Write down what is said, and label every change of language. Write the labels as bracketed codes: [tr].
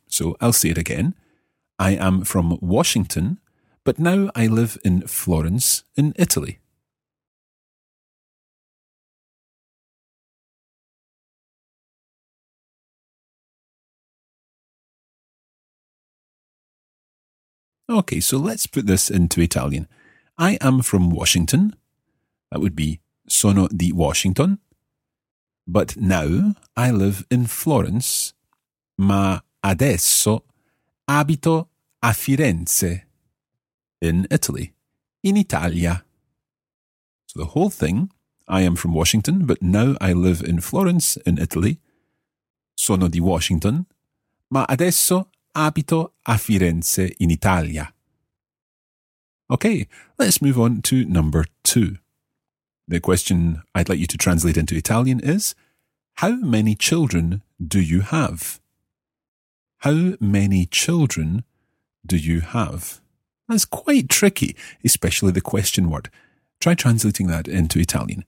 [en] So I'll say it again. I am from Washington, but now I live in Florence in Italy. Okay, so let's put this into Italian. I am from Washington. That would be [it] sono di Washington. [en] But now I live in Florence. [it] Ma adesso abito a Firenze. [en] In Italy. [it] In Italia. [en] So the whole thing, I am from Washington, but now I live in Florence in Italy. [it] Sono di Washington. Ma adesso abito a Firenze in Italia. [en] Okay, let's move on to number two. The question I'd like you to translate into Italian is, how many children do you have? How many children do you have? That's quite tricky, especially the question word. Try translating that into Italian.